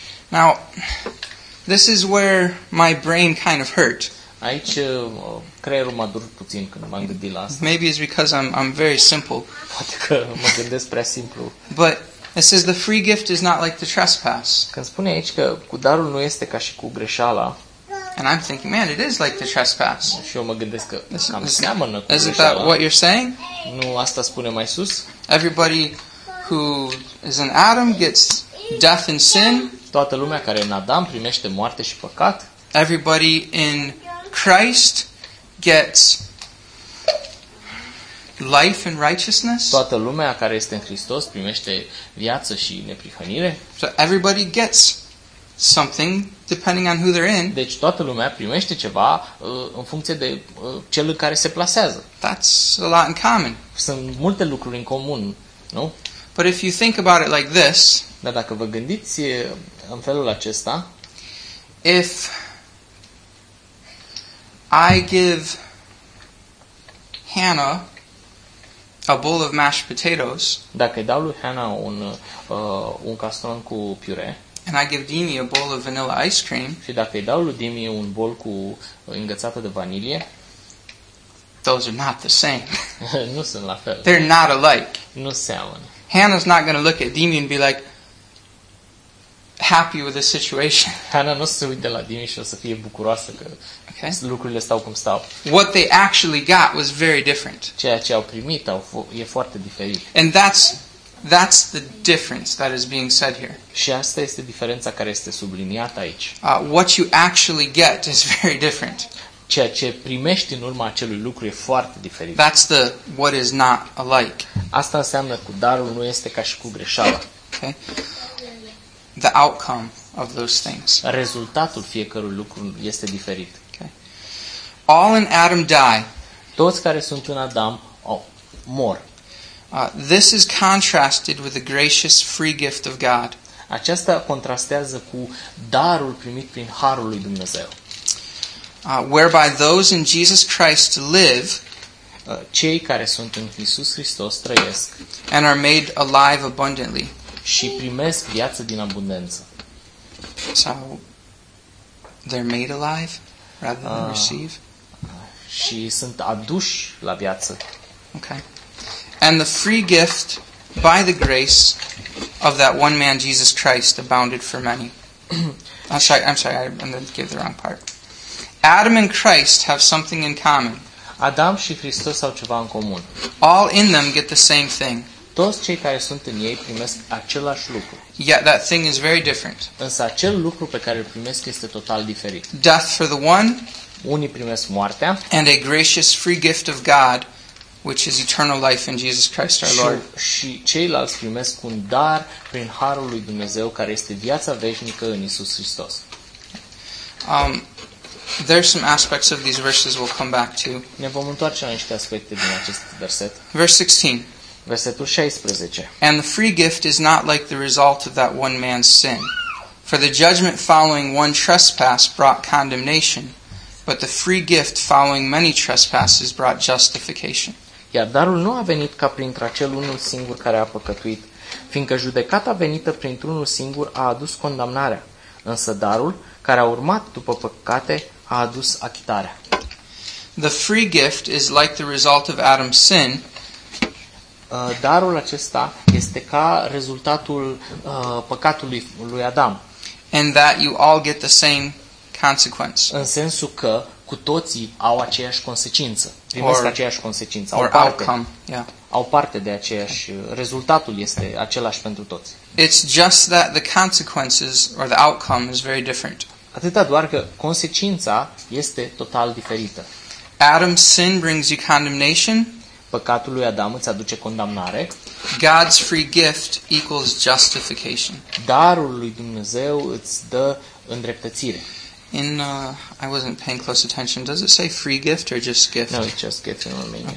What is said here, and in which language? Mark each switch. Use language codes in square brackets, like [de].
[en] Now, this is where my brain kind of hurt. [ro] Aici creierul m-a durut puțin când m-am gândit la asta. [en] Maybe it's because I'm very simple. [ro] Poate că mă gândesc prea simplu. [en] But it says the free gift is not like the trespass. [ro] Când spune aici că cu darul nu este ca și cu greșeala. [en] And I'm thinking, man, it is like the trespass. [ro] Și eu mă gândesc că cam seamănă cu greșeala. [en] Is that what you're saying? [ro] Nu, asta spune mai sus. [en] Everybody who is in Adam gets death and sin. [ro] Toată lumea care e în Adam primește moarte și păcat. [en] Everybody in Christ gets life and righteousness. [ro] Toată lumea care este în Hristos primește viață și neprihănire. [en] So everybody gets something depending on who they're in. [ro] Deci toată lumea primește ceva în funcție de cel în care se plasează. [en] That's a lot in common. [ro] Sunt multe lucruri în comun, nu? [en] But if you think about it like this, [ro] dar dacă vă gândiți în felul acesta, [en] if I give Hannah a bowl of mashed potatoes. [ro] Dacă dau lui Hannah un castron cu piure. [en] And I give Dimi a bowl of vanilla ice cream. [ro] Și dacă dau lui Dimi un bol cu îngățată de vanilie. [en] Those are not the same. [ro] Nu sunt la fel. [en] They're not alike. [ro] Nu seamănă. [en] Hannah's not going to look at Dimi and be like, happy with the situation. [ro] Hana nu se uită la Dimi și o să fie bucuroasă că lucrurile stau cum stau. [en] What they actually got was very different. [ro] Ceea ce au primit e foarte diferit. [en] And that's the difference that is being said here. [ro] Și asta este diferența care este subliniată aici. [en] What you actually get is very different. [ro] Ceea ce primești în urma acelui lucru e foarte diferit. [en] That's the what is not alike. [ro] Asta înseamnă cu darul nu este ca și cu greșeala. [en] Okay. The outcome of those things. [ro] Rezultatul fiecărui lucru este diferit. [en] Okay. All in Adam die. [ro] Toți care sunt în Adam mor. [en] This is contrasted with the gracious free gift of God. [ro] Aceasta contrastează cu darul primit prin harul lui Dumnezeu. [en] Whereby those in Jesus Christ live, [ro] cei care sunt în Iisus Hristos trăiesc, [en] and are made alive abundantly, [ro] și primesc viață din abundență. [en] So they're made alive rather than receive. [ro] Și sunt aduși la viață. [en] Okay. And the free gift by the grace of that one man Jesus Christ abounded for many. I'm sorry, I'm going to give the wrong part. Adam and Christ have something in common. [ro] Adam și Hristos au ceva în comun. [en] All in them get the same thing. [ro] Toți cei care sunt în ei primesc același lucru. [en] Yet that thing is very different. [ro] Însă acel lucru pe care îl primesc este total diferit. [en] Death for the one. [ro] Unii primesc moartea. [en] And a gracious free gift of God, which is eternal life in Jesus Christ our Lord. [ro] Și ceilalți primesc un dar prin harul lui Dumnezeu care este viața veșnică în Iisus Hristos. [en] There are some aspects of these verses we'll come back to. [ro] Ne vom întoarce la niște aspecte din acest verset. [en] Verse 16. [ro] Versetul 16. [en] And the free gift is not like the result of that one man's sin. For the judgment following one trespass brought condemnation, but the free gift following many trespasses brought justification. [ro] Iar darul nu a venit ca printr acel unul singur care a păcătuit, fiindcă judecata venită printr unul singur a adus condamnarea. Însă darul care a urmat după păcate a adus achitarea. [en] The free gift is like the result of Adam's sin. [ro] Darul acesta este ca rezultatul păcatului lui Adam. [en] And that you all get the same consequence. [ro] În sensul că cu toții au aceeași consecință. Primesc aceeași consecință. [en] Or [ro] parte, [en] outcome. Yeah. [ro] Au parte de aceeași. Rezultatul este același pentru toți. [en] It's just that the consequences or the outcome is very different. [ro] Atâta doar că consecința este total diferită. [en] Adam's sin brings you condemnation. [ro] Păcatul lui Adam îți aduce condamnare. [en] God's free gift equals justification. [ro] Darul lui Dumnezeu îți dă îndreptățire. [en] I wasn't paying close attention. Does it say free gift or just gift? No, it's just gift in Romanian.